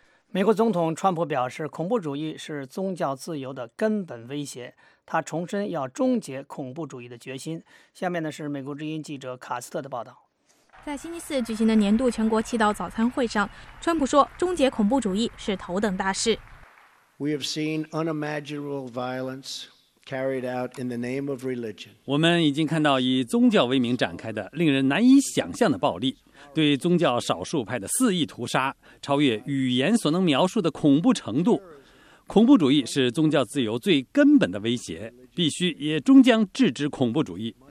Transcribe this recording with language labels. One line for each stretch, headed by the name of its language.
Chinese: 美国总统川普表示，恐怖主义是宗教自由的根本威胁，他重申要终结恐怖主义的决心。下面呢是美国之音记者卡斯特的报道。在星期四举行的年度全国祈祷早餐会上，川普说终结恐怖主义是头等大事。
English: We have seen unimaginable violence carried out in the name of religion.
Chinese: 我们已经看到以宗教为名展开的令人难以想象的暴力，对宗教少数派的肆意屠杀超越语言所能描述的恐怖程度。恐怖主义是宗教自由最根本的威胁，必须也终将制止恐怖主义。